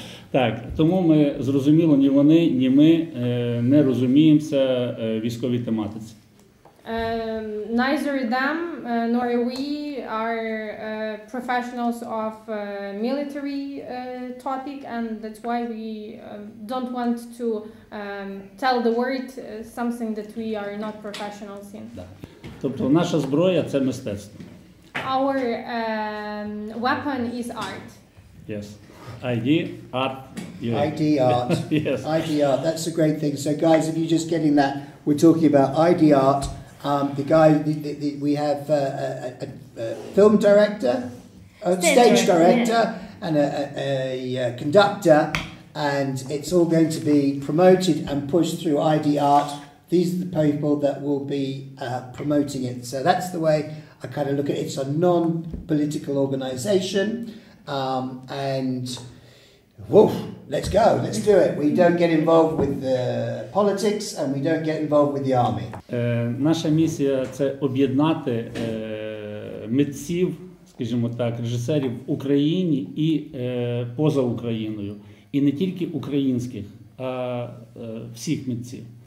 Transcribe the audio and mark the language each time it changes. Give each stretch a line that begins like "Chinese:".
Ukrainian: Так, тому ми зрозуміло, ні вони, ні ми не розуміємося військовій тематиці.
English: Neither them nor we are professionals of military topic, and that's why we don't want to tell the world something that we are not professionals in.
Ukrainian: Тобто наша зброя — це мистецтво.
English: Our weapon is art. Yes. ID art. Yes. ID art. That's a great thing. So guys, if you're just getting that, we're talking about ID art. The guy, we have a film director, a stage director, yeah. And a conductor, and it's all going to be promoted and pushed through ID art. These are the people that will be promoting it. So that's the way I kind of look at it. It's a non-political organization, and woof, let's go, let's do it. We don't get involved with the politics, and we don't get involved with the army.
Ukrainian: Наша місія – це об'єднати митців, скажімо так, режисерів в Україні і поза Україною. І не тільки українських, а всіх митців.